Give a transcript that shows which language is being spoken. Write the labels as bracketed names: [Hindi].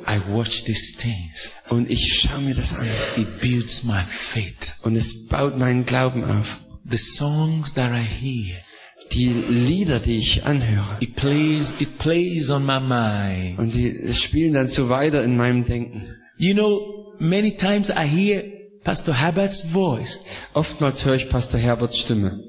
[English] I watch these things. [German] Und ich schaue mir das an. [English] It builds my faith. [German] Und es baut meinen Glauben auf. [English] The songs that I hear. [German] Die Lieder, die ich anhöre. [English] It plays on my mind. [German] Und die spielen dann so weiter in meinem Denken. [English] You know, many times I hear Pastor Herbert's voice. [German] Oftmals höre ich Pastor Herberts Stimme.